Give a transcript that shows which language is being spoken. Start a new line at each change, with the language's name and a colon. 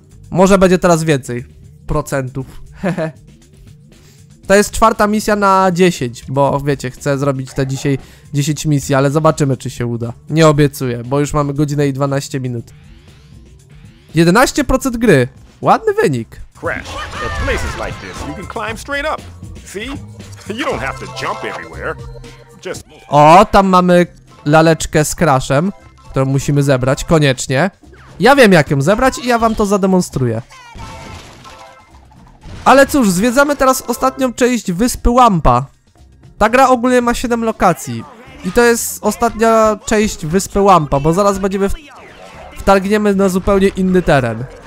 Polish: Może będzie teraz więcej procentów. Hehe. To jest czwarta misja na 10, bo wiecie, chcę zrobić te dzisiaj 10 misji, ale zobaczymy, czy się uda. Nie obiecuję, bo już mamy godzinę i 12 minut. 11% gry. Ładny wynik. Crash.
English: At places like this, you can climb straight up. See? You don't have to jump everywhere. Just...
Polish: O, tam mamy laleczkę z Crashem, którą musimy zebrać koniecznie. Ja wiem, jak ją zebrać i ja wam to zademonstruję. Ale cóż, zwiedzamy teraz ostatnią część Wyspy Wampa. Ta gra ogólnie ma 7 lokacji. I to jest ostatnia część Wyspy Wampa, bo zaraz będziemy wtargniemy na zupełnie inny teren.